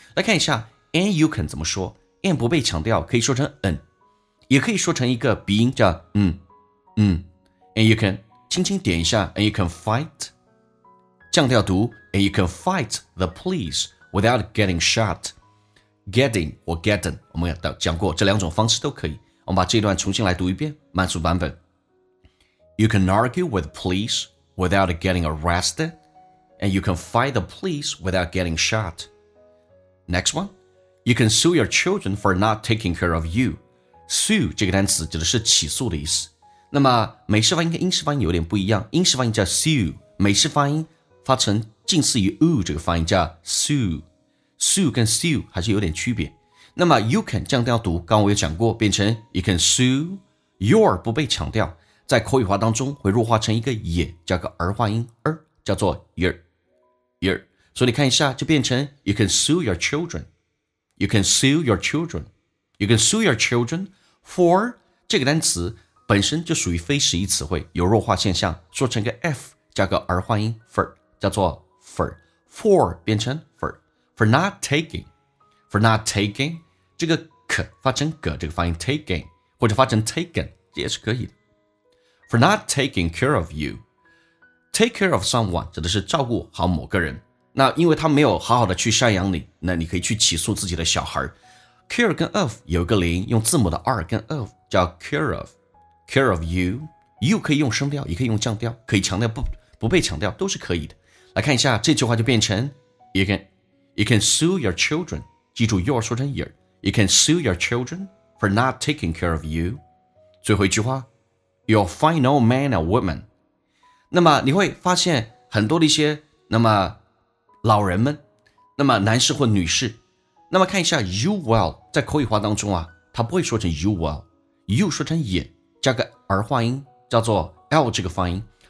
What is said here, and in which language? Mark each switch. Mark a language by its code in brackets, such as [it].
[zh] 来看一下 [en] and you can 怎么说， and 不被强调可以说成 and， 也可以说成一个鼻音叫and you can 轻轻点一下 and you can fight 降调读 and you can fight the police without getting shot， [zh] getting or getting 我们讲过这两种方式都可以。我们把这段重新来读一遍慢速版本。 [en] You can argue with policeWithout getting arrested, and you can fight the police without getting shot. Next one, you can sue your children for not taking care of you. [zh] Sue 这个单词指的是起诉的意思。那么美式发音跟英式发音有点不一样，英式发音叫 sue， 美式发音发成近似于 oo 这个发音叫 sue。 Sue 跟 sue 还是有点区别。那么 you can 降调读，刚我也讲过，变成 [en] you can sue your [zh] 不被强调。在口语化当中会弱化成一个也，叫个儿化音儿，叫做 your， 所以你看一下就变成 [en] you can sue your children， [zh] you can sue your children， you can sue your children for， 这个单词本身就属于非实义词汇，有弱化现象，说成个 f 加个儿化音 for， 叫做 for 变成 for not taking， 这个 k 发成 g 这个发音 taking， 或者发成 taken 也是可以的。 [en] For not taking care of you, take care of someone [zh] 指的是照顾好某个人。那因为他没有好好的去赡养你，那你可以去起诉自己的小孩。 Care 跟 of 有一个连音，用字母的 r 跟 of 叫 care of you。 You 可以用升调，也可以用降调，可以强调不被强调都是可以的。来看一下这句话就变成 [en] you can sue your children。 [zh] 记住 your 说成 your。 [en] You can sue your children for not taking care of you。 [zh] 最后一句话。 [en] You'll find no man or woman. [zh] 那么你会发现很多的一些那么老人们，那么男士或女士。那么看一下 you will 在口语化当中啊，它不会说成 you will， you 说成也，加个儿化音，叫做 l 这个发音。